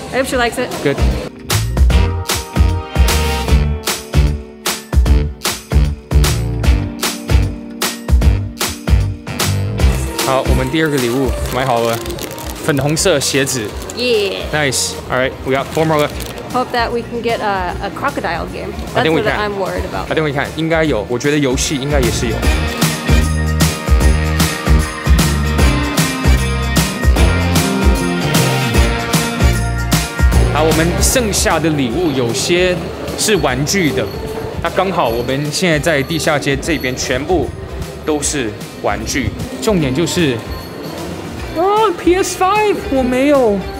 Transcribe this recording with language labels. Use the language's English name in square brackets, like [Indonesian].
[English] I hope she likes it. Good. [Chinese] 好，我们第二个礼物买好了，粉红色鞋子。 [English] Yeah. Nice. All right, we got four more. Hope that we can get a crocodile game. That's what I'm worried about. I think we can. [Chinese] 应该有，我觉得游戏应该也是有。我们剩下的礼物有些是玩具的，那刚好我们现在在地下街这边全部都是玩具，重点就是PS5 我没有。